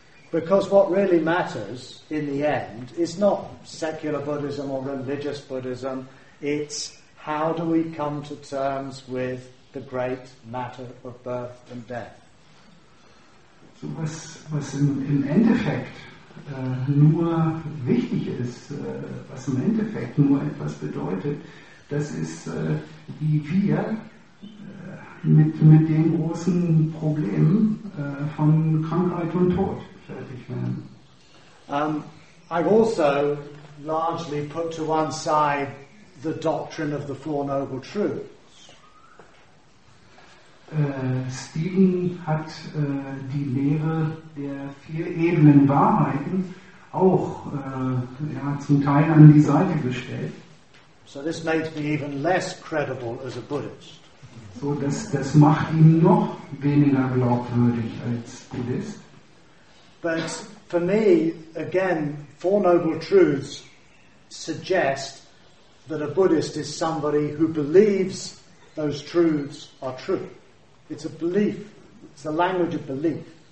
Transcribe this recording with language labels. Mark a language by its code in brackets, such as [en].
[en] Because what really matters in the end is not secular Buddhism or religious Buddhism, it's how do we come to terms with the great matter of birth and death. [de] So was im Endeffekt nur wichtig ist, was im Endeffekt nur etwas bedeutet, das ist, wie wir mit dem großen Problem von Krankheit und Tod fertig werden. [en] I've also largely put to one side the doctrine of the Four Noble Truths. [de] Stephen hat die Lehre der vier Ebenen Wahrheiten auch zum Teil an die Seite gestellt. [en] So this makes me even less credible as a Buddhist. [de] So das macht ihn noch weniger glaubwürdig als Buddhist. [en] But for me, again, Four Noble Truths suggest that a Buddhist is somebody who believes those truths are true. It's a belief. It's the language of belief.